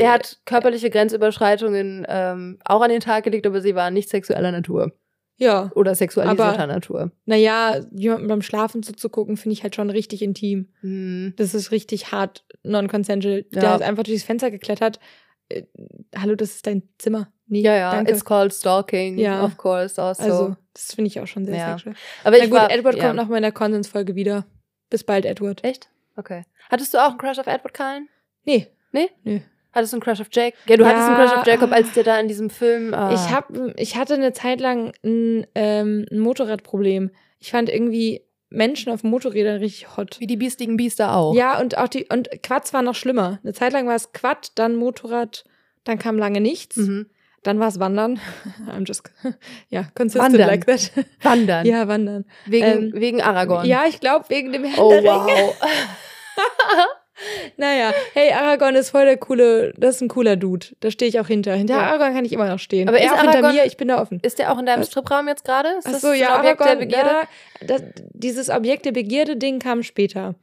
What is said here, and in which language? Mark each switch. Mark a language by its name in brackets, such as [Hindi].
[German] er hat körperliche Grenzüberschreitungen auch an den Tag gelegt, aber sie waren nicht sexueller Natur. Ja. Oder sexualisierter Natur. Naja, jemandem beim Schlafen zuzugucken, finde ich halt schon richtig intim. Hm. Das ist richtig hart non-consensual. Ja. Der ist einfach durchs Fenster geklettert. Hallo, das ist dein Zimmer. Nee, ja, ja, danke. [English] It's called stalking, ja, of course, also. [German] Also, das finde ich auch schon sehr, ja, sexuell. Aber Edward kommt noch mal in der Konsensfolge wieder. Bis bald, Edward. Echt? Okay. Hattest du auch einen Crush auf Edward Cullen? Nee. Nee? Nee. Hattest du einen Crush auf Jack? Ja, du hattest einen Crush auf Jacob, als der da in diesem Film. Ich hatte eine Zeit lang ein Motorradproblem. Ich fand irgendwie Menschen auf Motorrädern richtig hot. Wie die biestigen Biester auch. Ja, und auch die, und Quads war noch schlimmer. Eine Zeit lang war es Quad, dann Motorrad, dann kam lange nichts. Mhm. Dann war es Wandern. [English] I'm just, ja, consistent wandern, like that. [German] Wandern. Ja, Wandern. Wegen Aragorn. Ja, ich glaube, wegen dem Herr der Ringe. Wow. Naja, hey, Aragorn ist voll der coole, das ist ein cooler Dude. Da stehe ich auch hinter. Hinter Aragorn kann ich immer noch stehen. Aber er ist auch Aragorn, hinter mir, ich bin da offen. Ist der auch in deinem Stripraum jetzt gerade? Ach so, ja, Aragorn, dieses Objekt der Begierde-Ding kam später.